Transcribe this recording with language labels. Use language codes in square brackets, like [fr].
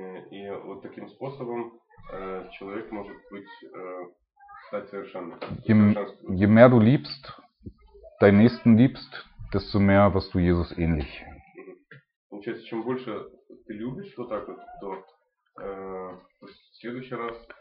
[ru] И вот таким способом человек может стать совершенным. [de] Je mehr du liebst, deinen Nächsten liebst, desto mehr wirst du Jesus ähnlich. [ru] Получается, чем больше ты любишь вот так вот, то в следующий раз